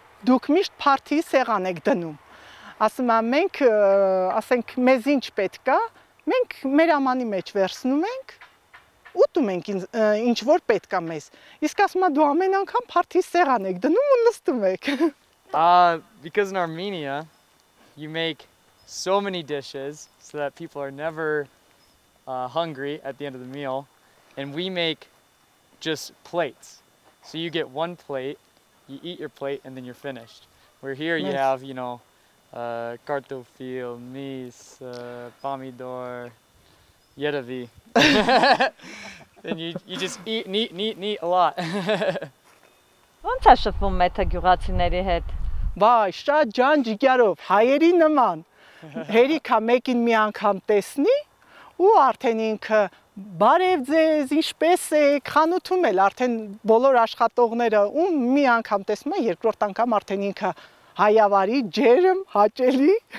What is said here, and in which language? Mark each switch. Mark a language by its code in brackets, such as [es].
[hy] դուք միշտ փարթի սեղան եք դնում, ասում է մենք, ասենք մեզ ինչ պետք է, մենք մեր ամանի մեջ վերցնում ենք, ուտում ենք ինչ որ պետք է մեզ, իսկ ասում է դու ամեն անգամ փարթի սեղան եք դնում ու նստում եք։ [en] Because in Armenia, you make so many dishes so that people are never hungry at the end of the meal, and we make just plates. So you get one plate, you eat your plate, and then you're finished. Where here you have, you know, [hy] kartofil, mis, pomidor, yerevi. [en] And you just eat and eat and eat and eat a lot. [hy] Ոնց ա շփվում մեթը գյուղացիների հետ? Բայ, շատ ջան ջիկյարով, հայերի նման, հերիքա մեկին մի անգամ տեսնի ու արդեն ինքը բարև ձեզ, ինչպես եք, խանութում էլ արդեն բոլոր աշխատողները ու մի անգամ տեսնում է, երկրորդ անգամ արդեն ինքը հայավարի, ջերմ, հաճելի։